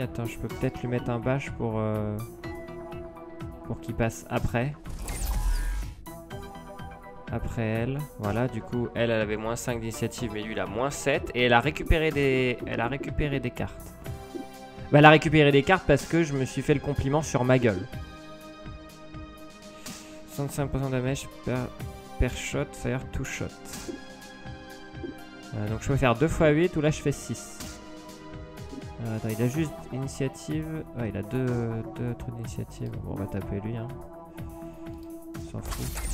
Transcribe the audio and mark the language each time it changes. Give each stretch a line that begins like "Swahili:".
French: Attends, je peux peut-être lui mettre un bash pour qu'il passe après. Après elle, voilà, du coup, elle avait moins 5 d'initiative, mais lui, il a moins 7. Et elle a récupéré des cartes. Bah, elle a récupéré des cartes parce que je me suis fait le compliment sur ma gueule.
English: 65% de damage per shot, fire two shot.
French: Donc, je peux faire 2 x 8 ou là, je fais 6. Attends, il a juste initiative. Ouais, il a 2 trucs d'initiative. Bon, on va taper lui, hein. On s'en fout.